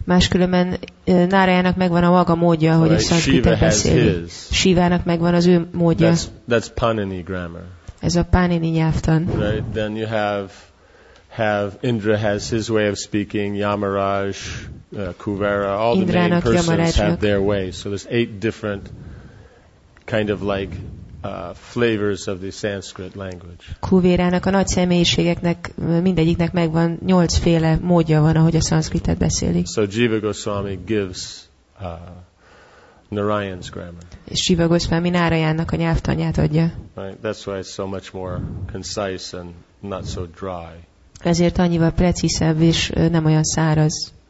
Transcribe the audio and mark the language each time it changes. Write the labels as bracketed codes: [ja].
[hu] Máskülönben Narayannak megvan a maga módja, hogy right, a Sanskritet beszéli. Shivának megvan az ő módja. [en] That's Panini grammar. [hu] Ez a Panini nyelvtan. [en] Right, then you have Indra has his way of speaking, Yamaraj, Kuvera, all [hu] Indranak, [en] the main persons [hu] Yamarajnak. [en] Have their way. So there's 8 different kind of like flavors of the Sanskrit language. [hu] Kuvérának a nagy személyiségeknek mindegyiknek megvan 8 féle módja van, ahogy a Sanskritet beszélik. [en] So Jiva Goswami gives Narayan's grammar. [hu] És Jiva Goswami Narayannak a nyelvtanját adja. [en] Right, that's why it's so much more concise and not so dry. [hu] Ezért annyival precízebb és nem olyan száraz.